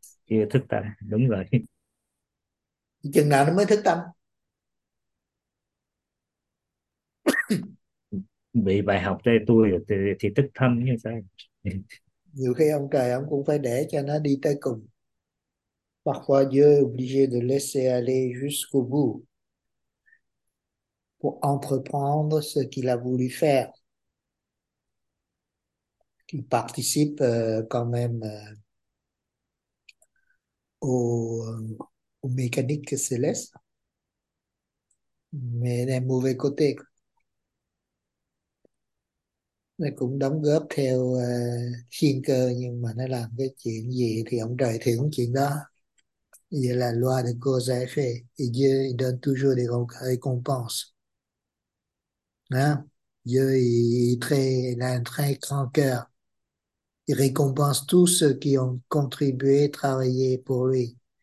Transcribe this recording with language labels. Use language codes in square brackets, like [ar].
[vi] Chưa thức tâm, đúng rồi. Chừng nào nó mới thức tâm? Bị bài học cho tôi rồi thì thức tâm như sao? Nhiều khi ông trời ông cũng phải để cho nó đi tới cùng. [fr] Parfois Dieu est obligé de laisser aller jusqu'au bout pour entreprendre ce qu'il a voulu faire. participe quand même aux mécaniques célestes, mais d'un mauvais côté. [vi] Nó cũng đóng góp theo thiên cơ, nhưng mà nó làm cái chuyện gì thì ông trời thưởng chuyện đó. Vậy là [fr] loi de cause à effet, et Dieu il donne toujours des récompenses. Hein? Dieu il a un très grand cœur. Il récompense tous ceux qui ont contribué, travaillé pour lui.